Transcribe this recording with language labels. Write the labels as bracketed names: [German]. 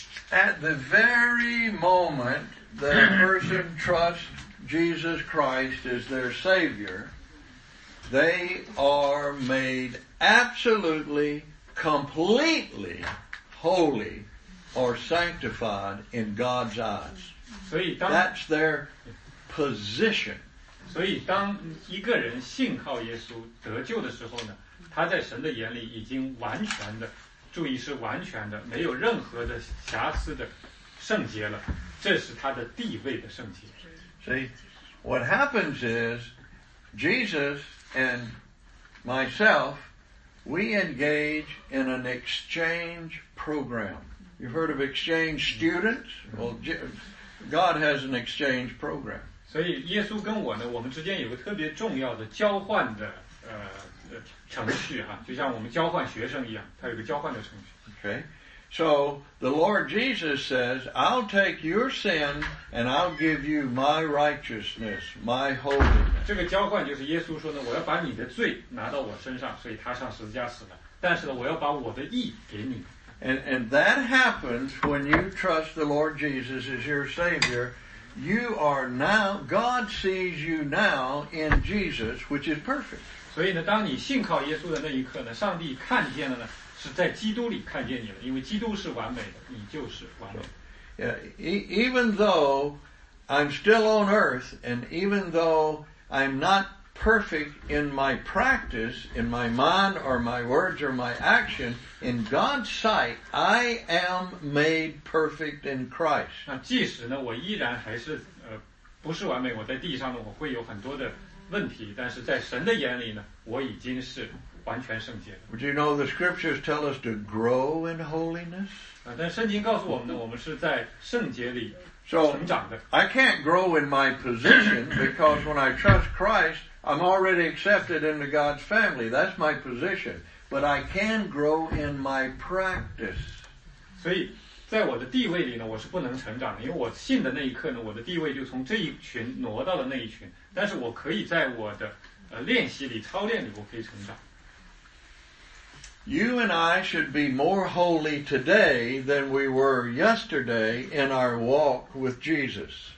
[English] At the very moment that a person trusts Jesus Christ as their Savior, they are made absolutely, completely holy or sanctified in God's eyes. That's their position. [Chinese] 所以当一个人信靠耶稣得救的时候呢，他在神的眼里已经完全的，注意是完全的，没有任何的瑕疵的圣洁了，这是他的地位的圣洁。 [English] See, what happens is Jesus and myselfWe engage in an exchange program. You've heard of exchange students? Well, God has an exchange program. [Chinese] 所以耶稣跟我呢，我们之间有个特别重要的交换的程序哈，就像我们交换学生一样，它有个交换的程序。 [English] Okay. So the Lord Jesus says, "I'll take your sin and I'll give you my righteousness, my holiness." [Chinese] 这个交换就是耶稣说呢，我要把你的罪拿到我身上，所以他上十字架死了。但是呢，我要把我的义给你。 [English] And that happens when you trust the Lord Jesus as your Savior. You are now, God sees you now in Jesus, which is perfect. [Chinese] 所以呢，当你信靠耶稣的那一刻呢，上帝看见了呢。是在基督里看见你了，因为基督是完美的，你就是完美的。 [English] Yeah, even though I'm still on earth, and even though I'm not perfect in my practice, in my mind or my words or my action, in God's sight, I am made perfect in Christ. [Chinese] 那即使呢，我依然还是不是完美，我在地上呢，我会有很多的问题，但是在神的眼里呢，我已经是。 [English] But you know the scriptures tell us to grow in holiness? So, I can't grow in my position because when I trust Christ, I'm already accepted into God's family. That's my position. But I can grow in my practice. [Chinese] 所以在我的地位里呢，我是不能成长的，因为我信的那一刻呢，我的地位就从这一群挪到了那一群。但是我可以在我的练习里、操练里，我可以成长。 [English] You and I should be more holy today than we were yesterday in our walk with Jesus.